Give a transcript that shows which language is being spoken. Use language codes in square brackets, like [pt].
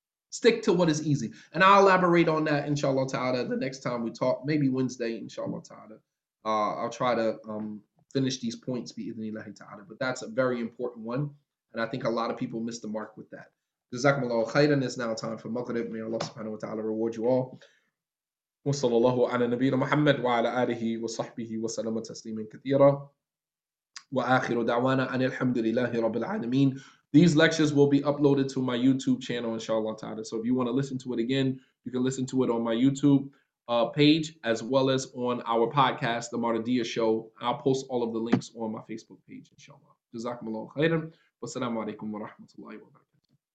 [en] Stick to what is easy. And I'll elaborate on that, inshallah ta'ala, the next time we talk, maybe Wednesday, inshallah ta'ala. I'll try to finish these points, bi'idhnillahi ta'ala. But that's a very important one. And I think a lot of people miss the mark with that. [ar] Jazakum Allahu khayran. [en] It's now time for Maghrib. May Allah [ar] subhanahu wa ta'ala [en] reward you all. [ar] وصلى الله على نبينا محمد وعلى آله وصحبه وسلم تسليما كثيرا وآخر دعوانا أن الحمد لله رب العالمين. [en] These lectures will be uploaded to my YouTube channel, inshallah ta'ala. So if you want to listen to it again, you can listen to it on my YouTube page as well as on our podcast, The Martadiyah Show. I'll post all of the links on my Facebook page, inshallah. [ar] جزاكم الله خيرا والسلام عليكم ورحمة الله وبركاته.